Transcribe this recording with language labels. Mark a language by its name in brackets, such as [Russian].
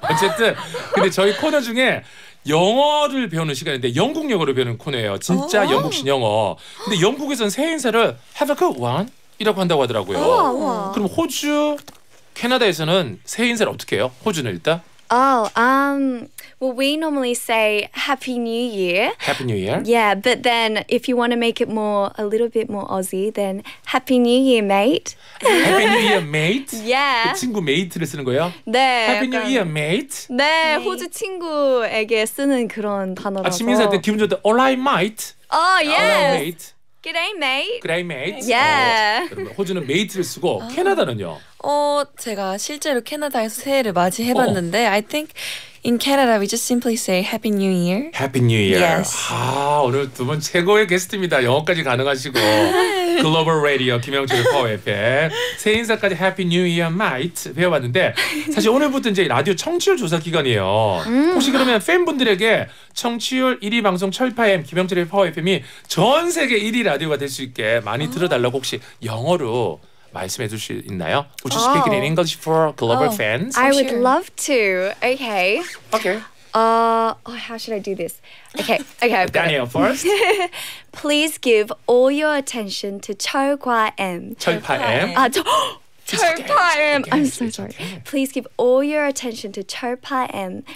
[Korean] 어쨌든 근데 저희 코너 중에 영어를 배우는 시간인데 영국 영어를 배우는 코너예요. 진짜 영국신 영어. 근데 영국에서는 새해 인사를 [English] Have a good one [Korean] 이라고 한다고 하더라고요. 그럼 호주, 캐나다에서는 새해 인사를 어떻게 해요? 호주는 일단? [English] Well, we normally say Happy New Year. Happy New Year. Yeah, but then if you want to make it more, a little bit more Aussie, then Happy New Year, mate. Happy New Year, mate? Yeah. [Korean] 그 친구 mate를 쓰는 거예요? 네. [English] Happy 약간, New Year, mate? [Korean] 네, 네, 호주 친구에게 쓰는 그런 단어라서. 아침 인사할 때 기분 좋을 때, [English] All right, mate. Oh, yes. All right, mate. G'day, mate. G'day, mate. Yeah. [Korean] 여러분, 호주는 mate를 쓰고 아. 캐나다는요? 제가 실제로 캐나다에서 새해를 맞이해봤는데 [English] I think in Canada we just simply say Happy New Year. Happy New Year. Yes. [Korean] 아, 오늘 두 분 최고의 게스트입니다. 영어까지 가능하시고 글로벌 라디오 김영철의 Power FM 새 인사까지 [English] Happy New Year, mate [Korean] 배워봤는데 사실 오늘부터 이제 라디오 청취율 조사 기간이에요. 혹시 그러면 팬분들에게 청취율 1위 방송 철파엠 김영철의 Power FM이 전 세계 1위 라디오가 될 수 있게 많이 들어달라고 혹시 영어로 말씀해 줄 수 있나요? [English] Would you speak it in English for global fans? I would love to. Okay. Okay. How should I do this? Okay. Okay. Daniel first. Please give all your attention to 철과엠. [Korean] 철파엠. [English] 아, 철파엠. I'm so sorry. Please give all your attention to 철파엠.